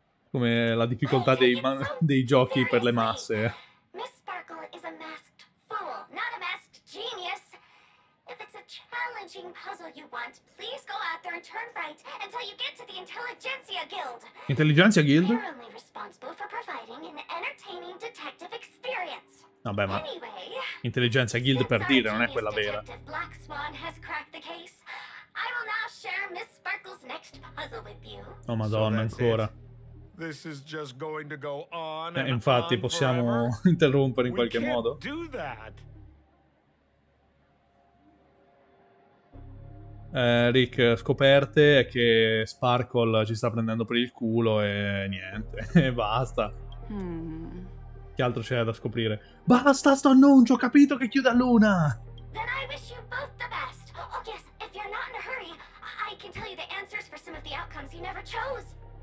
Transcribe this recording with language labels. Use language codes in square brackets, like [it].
[it] Come la difficoltà dei dei giochi per le masse. [en] Miss Sparkle is a masked fool, not a masked genius. If it's a challenging puzzle you want, please go out there and turn right until you get to the Intelligentsia Guild. Intelligentsia Guild? They're only responsible for providing an entertaining detective experience. [it] Vabbè, ma anyway, Intelligentsia Guild, per dire, non è quella vera. [en] Detective Black Swan has cracked the case. I will now share Miss Sparkle's next puzzle with you. [it] Oh, Madonna, ancora. [en] This is just going to go on. [it] Infatti, possiamo interrompere in qualche modo? [en] Do that. [it] Rick, scoperte che Sparkle ci sta prendendo per il culo e niente, basta. Che altro c'è da scoprire? Basta sto annuncio, ho capito che chiude a luna. [en] Then I wish you both the best. Oh yes, if you're not in a hurry, I can tell you the answers for some of the outcomes you never chose.